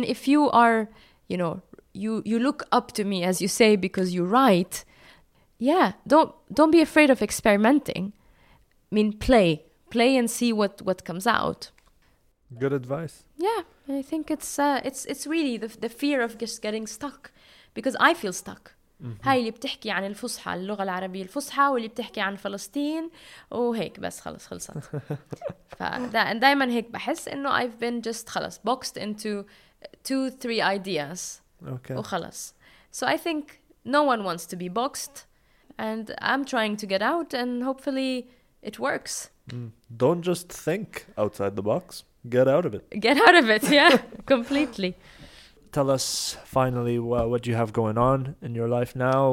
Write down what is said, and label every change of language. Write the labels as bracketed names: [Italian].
[English] And if you are, you know, you look up to me, as you say, because you write, don't be afraid of experimenting. I mean, play and see what comes out. Good advice. Yeah, I think it's really the fear of just getting stuck, because I feel stuck. [Arabic] هاي اللي بتحكي عن الفصحى اللغة العربية الفصحى واللي بتحكي عن فلسطين وهيك بس خلص خلصت فدائما هيك بحس إنه [English] I've been just [Arabic] خلص [English] boxed into 2-3 ideas [Arabic] وخلص. [English] So I think no one wants to be boxed, and I'm trying to get out and hopefully it works. Don't just think outside the box, get out of it. Get out of it, yeah. Completely. Tell us, finally, what you have going on in your life now.